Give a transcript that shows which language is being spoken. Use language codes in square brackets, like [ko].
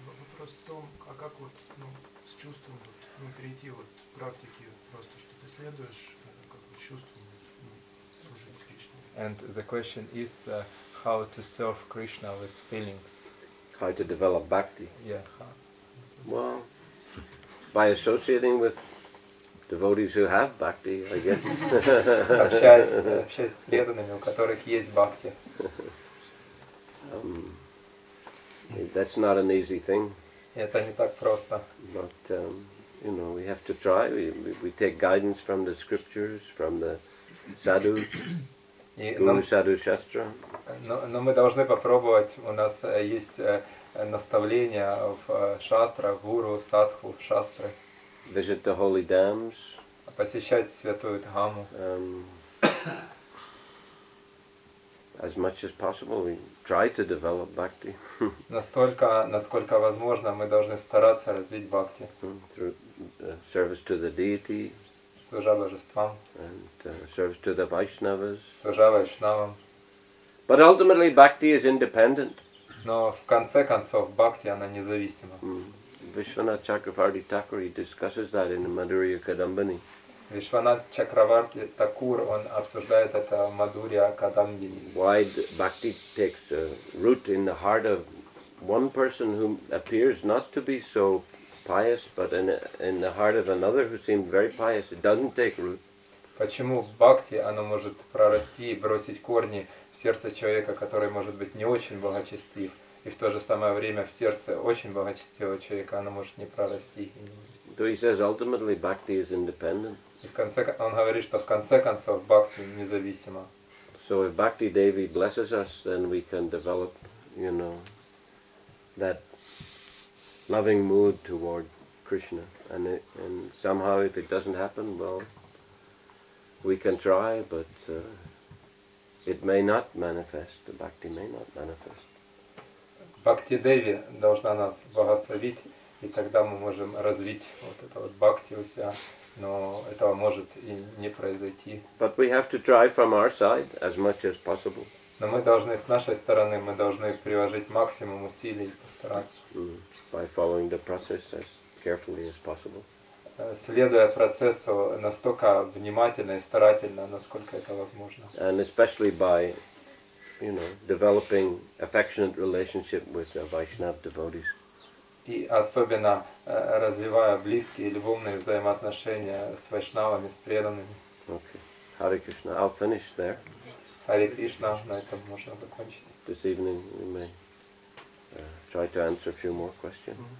[ru] Вопрос в том, а как вот, ну, с чувством вот не перейти вот к практике, просто что ты следуешь, как вот чувством служить Кришне. [en] And the question is how to serve Krishna with feelings. How to develop bhakti. Yeah. Well, by associating with devotees who have bhakti, I guess. [ru] Общаясь с преданными, у которых есть бхакти. [en] That's not an easy thing. [ru] Это не так просто. [en] But, you know, we have to try. We take guidance from the scriptures, from the sadhus, guru sadhu shastra. [ru] Но мы должны попробовать. У нас есть наставления в шастрах, гуру, садху, шастры. [en] Visit the holy dams. [ru] Посещать святую дхаму. [en] As much as possible, we try to develop bhakti. [ru] Настолько возможно, мы должны стараться развить бхакти. [en] Through service to the deity. [ru] Служа божествам. [en] And service to the Vaishnavas. [ru] Служа Вайшнавам. [en] But ultimately, bhakti is independent. [ru] Но в конце концов, бхакти она независима. [en] Vishwanath Chakravarti Thakur, he discusses that in the Madhurya Kadambini. [ru] Vishwanath Chakravarti Thakur, он обсуждает это в Madhurya Kadambini. [en] Why bhakti takes root in the heart of one person who appears not to be so pious, but in the heart of another who seems very pious, it doesn't take root. [ru] Почему бхакти оно может прорасти и бросить корни в сердце человека, который может быть не очень благочестив? И в то же самое время в сердце очень благочестивого человека оно может не прорасти. [en] So he says ultimately bhakti is independent. [ru] И в конце он говорит, что в конце концов бхакти независима. [en] So if bhakti devi blesses us, then we can develop, you know, that loving mood toward Krishna. And somehow if it doesn't happen, well, we can try, but it may not manifest. The bhakti may not manifest. [ru] Бхакти Деви должна нас благословить, и тогда мы можем развить вот это вот бхакти у себя, но этого может и не произойти. [en] But we have to try from our side as much as possible. [ru] Но мы должны с нашей стороны, мы должны приложить максимум усилий и постараться. [en] By following the process as carefully as possible. [ru] Следуя процессу настолько внимательно и старательно, насколько это возможно. [en] And especially by, you know, developing affectionate relationship with Vaishnava devotees. [ru] И особенно развивая близкие любовные взаимоотношения с вайшнавами, с преданными. [en] Okay. Hare Krishna. I'll finish there. Hare Krishna. [ru] На этом можно закончить. [en] This evening we may try to answer a few more questions.